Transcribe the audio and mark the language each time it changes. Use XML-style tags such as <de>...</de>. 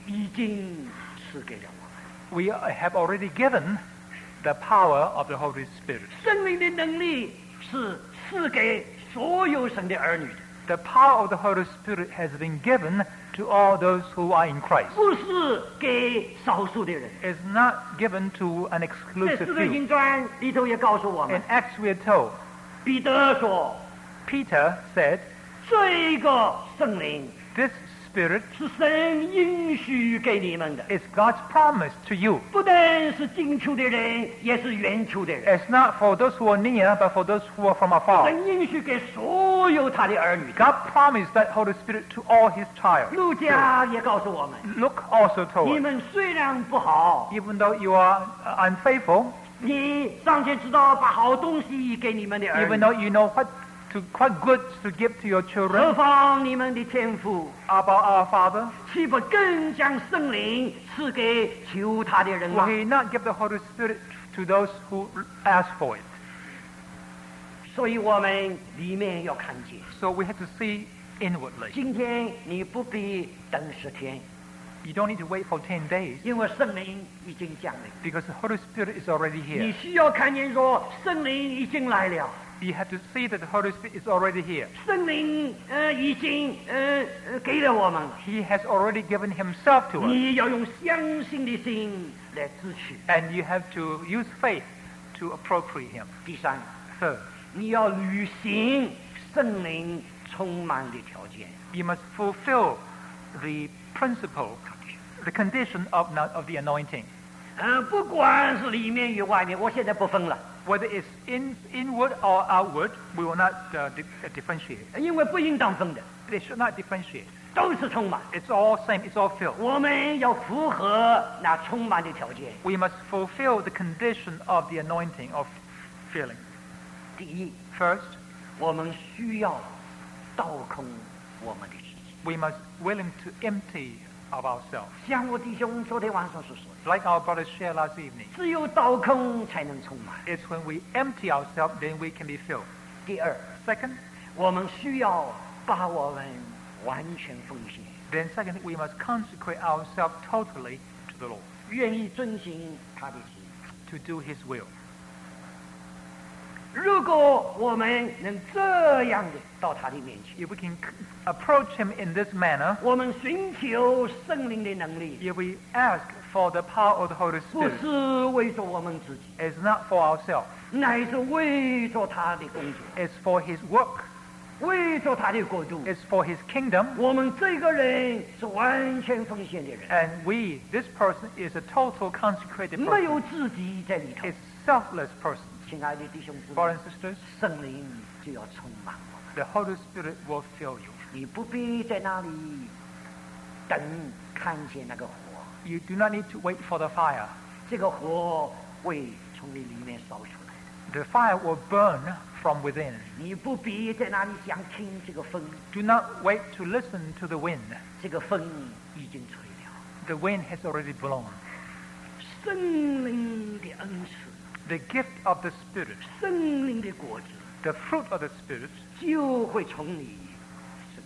<zh>这个圣灵的能力已经赐给了我们,</zh> <en>we have already given the power of the Holy Spirit.</en> <zh>圣灵的能力是赐给所有神的儿女的,</zh> <en>the power of the Holy Spirit has been given to all those who are in Christ.</en> <zh>不是给少数的人,</zh> <en>it's not given to an exclusive few.</en> <zh>这四个经段里头也告诉我们,</zh> <en>in Acts we are told,</en> <zh>彼得说,</zh> <en>Peter said,</en> <zh>这个圣灵,</zh> <en>this Spirit,</en> <zh>是神应许给你们的,</zh> <en>is God's promise to you.</en> <zh>不但是近处的人, 也是远处的人,</zh> <en>it's not for those who are near, but for those who are from afar.</en> <zh>神应许给所有他的儿女,</zh> <en>God promised that Holy Spirit to all his child.</en> <zh>路加也告诉我们,</zh> <en>Luke also told,</en> <zh>你们虽然不好,</zh> <en>even though you are unfaithful,</en> <zh>你尚且知道把好东西给你们的儿女,</zh> <en>even though you know what good to give to your children,</en> <zh>何况你们的天父,</zh> <en>about our Father,</en> <zh>岂不更将圣灵赐给求他的人吗?</zh> <en>Will he not give the Holy Spirit to those who ask for it?</en> <zh>所以我们里面要看见,</zh> <en>so we have to see inwardly.</en> <zh>今天你不必等十天,</zh> <en>you don't need to wait for 10 days.</en> <zh>因为圣灵已经降临,</zh> <en>because the Holy Spirit is already here.</en> <zh>你需要看见说圣灵已经来了,</zh> <en>you have to see that the Holy Spirit is already here.</en> <zh>圣灵已经给了我们,</zh> <en>he has already given himself to us.</en> <zh>你要用相信的心来支取,</zh> <en>and you have to use faith to appropriate him.</en> <zh>第三,</zh> <en>third,</en> <zh>你要履行圣灵充满的条件,</zh> <en>you must fulfill the principle, the condition of the anointing.</en> <zh>不管是里面与外面, 我现在不分了,</zh> <en>whether it's inward or outward, we will not differentiate.</en> <zh>因为不应当分的,</zh> <en>they should not differentiate.</en> <zh>都是充满,</zh> <en>it's all same, it's all filled.</en> <zh>我们要符合那充满的条件,</zh> <en>we must fulfill the condition of the anointing of filling.</en> <zh>第一,</zh> <en>first,</en> <zh>我们需要倒空我们的自己。</zh> <en>We must willing to empty of ourselves.</en> <zh>像我弟兄昨天晚上所说的。</zh> <en>Like our brother shared last evening.</en> <zh>只有倒空才能充满。</zh> <en>It's when we empty ourselves, then we can be filled.</en> <zh>第二。</zh> <en>Second.</en> <zh>我们需要把我们完全奉献。</zh> <en>Then second, we must consecrate ourselves totally to the Lord.</en> <zh>愿意遵行他的心。</zh> <en>To do His will.</en> <zh>如果我们能这样的到他的面前</zh> <en>if we can approach him in this manner</en> <zh>我们寻求圣灵的能力</zh> <en>if we ask for the power of the Holy Spirit</en> <zh>不是为着我们自己</zh> <en>it's not for ourselves</en> <zh>乃是为着他的工作</zh> <en>it's for his work</en> <zh>为着他的国度</zh> <en>it's for his kingdom</en> <zh>我们这个人是完全奉献的人</zh> <en>and we, this person is a total consecrated person</en> <zh>没有自己在里头</zh> <en>it's selfless person</en> <zh>亲爱的弟兄姊妹</zh> <en>Brothers and sisters,</en> <zh>圣灵就要充满我们</zh> <en>The Holy Spirit will fill you</en> <zh>你不必在那里等看见那个火</zh> <en>You do not need to wait for the fire</en> <zh>这个火会从你里面烧出来</zh> <en>The fire will burn from within</en> <zh>你不必在那里想听这个风</zh> <en>Do not wait to listen to the wind</en> <zh>这个风已经吹了</zh> <en>The wind has already blown</en> <zh>圣灵的恩赐</zh> <en>The gift of the Spirit,</en> <zh>圣灵的果子,</zh> <en>the fruit of the Spirit,</en> <zh>就会从你生</zh>